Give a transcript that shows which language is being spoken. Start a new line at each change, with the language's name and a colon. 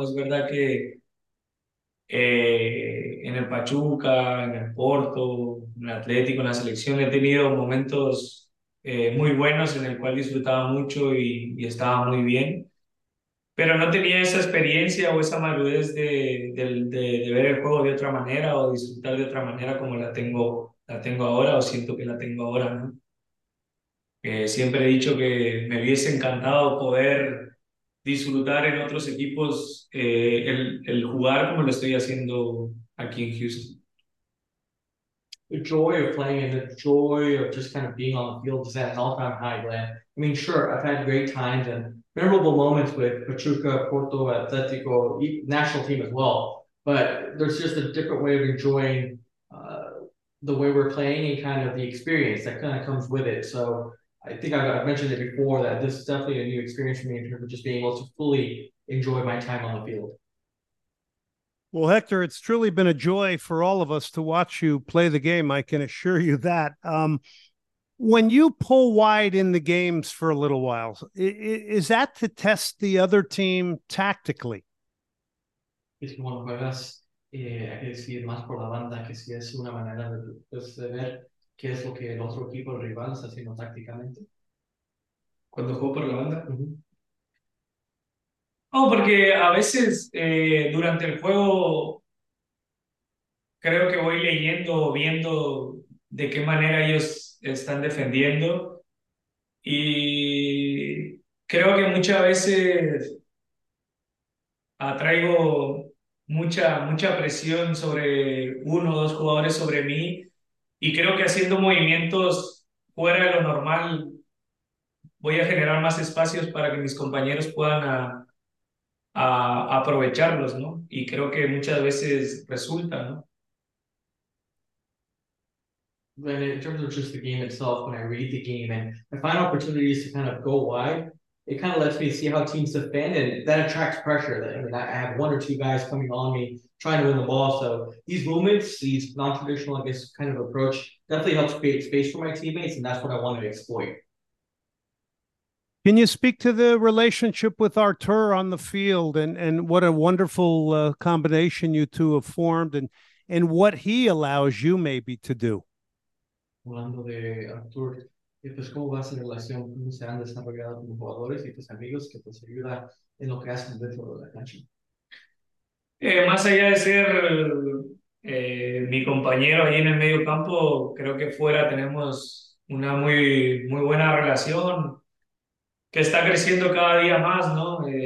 Spanish: Es verdad que en el Pachuca, en el Porto, en el Atlético, en la selección, he tenido momentos muy buenos en el cual disfrutaba mucho y estaba muy bien, pero no tenía esa experiencia o esa madurez de ver el juego de otra manera o disfrutar de otra manera como la tengo ahora o siento que la tengo ahora, ¿no? Siempre he dicho que me hubiese encantado poder disfrutar en otros equipos el jugar como lo estoy haciendo aquí en Houston.
English: The joy of playing and the joy of just kind of being on the field is at an all-time high, Glenn. I mean, sure, I've had great times and memorable moments with Pachuca, Porto, Atletico, national team as well, but there's just a different way of enjoying the way we're playing and kind of the experience that kind of comes with it. So I think I've mentioned it before that this is definitely a new experience for me in terms of just being able to fully enjoy my time on the field. Well, Hector, it's truly been a joy for all of us to watch you play the game. I can assure you that. When you pull wide in the games for a little while, is that to test the other team tactically?
Spanish: Es como juegas, es ir más por la banda, que si es una manera de ver qué es lo que el otro equipo rival está haciendo tácticamente. Cuando juego por la banda. Oh, porque a veces durante el juego creo que voy leyendo o viendo de qué manera ellos están defendiendo y creo que muchas veces atraigo mucha presión sobre uno o dos jugadores sobre mí y creo que haciendo movimientos fuera de lo normal voy a generar más espacios para que mis compañeros puedan a aprovecharlos, ¿no? Y creo que muchas veces resulta, ¿no?
English: Then in terms of just the game itself, when I read the game and I find opportunities to kind of go wide, it kind of lets me see how teams defend, and that attracts pressure. That, I mean, I have one or two guys coming on me trying to win the ball. So these movements, these non-traditional, I guess, kind of approach definitely helps create space for my teammates, and that's what I wanted to exploit. Can you speak to the relationship with Artur on the field and what a wonderful combination you two have formed and what he allows you maybe to do?
Spanish: Hablando de Artur, pues cómo va esa relación, cómo se han desarrollado como jugadores y tus amigos, que pues ayuda en lo que hacen dentro de la cancha. Más allá de ser mi compañero ahí en el medio campo, creo que fuera tenemos una muy, muy buena relación que está creciendo cada día más, ¿no?